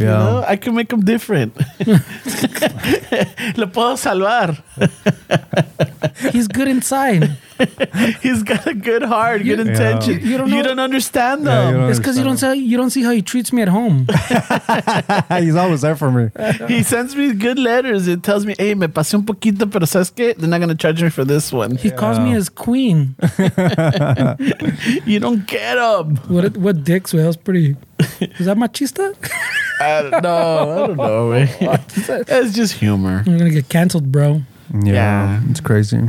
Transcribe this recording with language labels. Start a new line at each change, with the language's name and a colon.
English: You know, I can make him different.
Spanish: Lo puedo salvar.
English: He's good inside. He's got a good heart, good intention. Yeah. You don't understand them. Yeah, it's because you don't see how he treats me at home. He's always there for me. He sends me good letters. It tells me, hey,
Spanish: me pasé un poquito, pero ¿sabes qué?
English: They're not going to charge me for this one. He calls me his queen. You don't get him. What dicks? Well, that's pretty... Is that machista? I don't know. It's just humor. I'm going to get canceled, bro. Yeah, it's crazy.